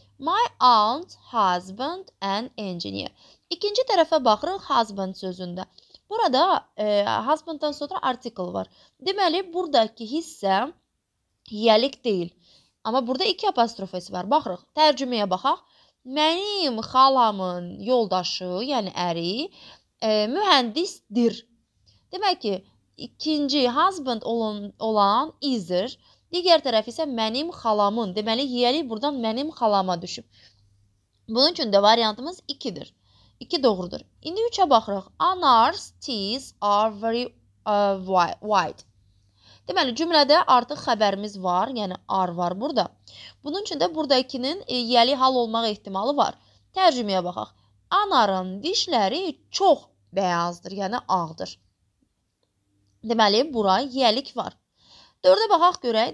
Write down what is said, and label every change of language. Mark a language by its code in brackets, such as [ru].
[en] My aunt, husband and engineer. [az] İkinci tərəfə baxırıq husband sözündə. Burada husbanddan sonra artikl var. Deməli, buradakı hissə yiyəlik deyil. Amma burada 2 apostrofesi var. Baxırıq, tərcüməyə baxaq. Mənim xalamın yoldaşı, yəni əri, mühəndisdir. Demək ki, ikinci husband olan izdir. Digər tərəf isə mənim xalamın. Deməli, yiyəlik buradan mənim xalama düşüb. Bunun üçün də variantımız 2-dir. 2 doğrudur. İndi 3-ə baxırıq. [en] Anna's teeth are very white. [az] Deməli, cümlədə artıq xəbərimiz var, yəni are var burada. Bunun üçün də buradakinin yiyəli hal olmaq ehtimalı var. Tərcüməyə baxaq. Anarın dişləri çox bəyazdır, yəni ağdır. Deməli, bura yiyəlik var. Dördə baxaq görək.